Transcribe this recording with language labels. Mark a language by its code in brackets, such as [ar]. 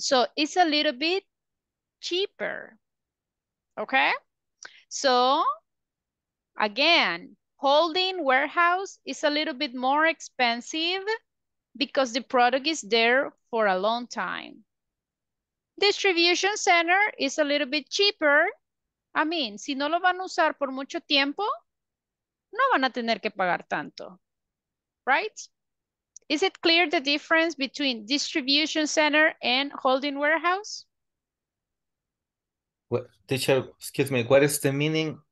[en] So it's a little bit cheaper. Okay? So again, holding warehouse is a little bit more expensive because the product is there for a long time. Distribution center is a little bit cheaper. I mean, [es] si no lo van a usar por mucho tiempo, no van a tener que pagar tanto, right? [en] Is it clear the difference between distribution center and holding warehouse? Well, teacher, excuse me, what is the meaning?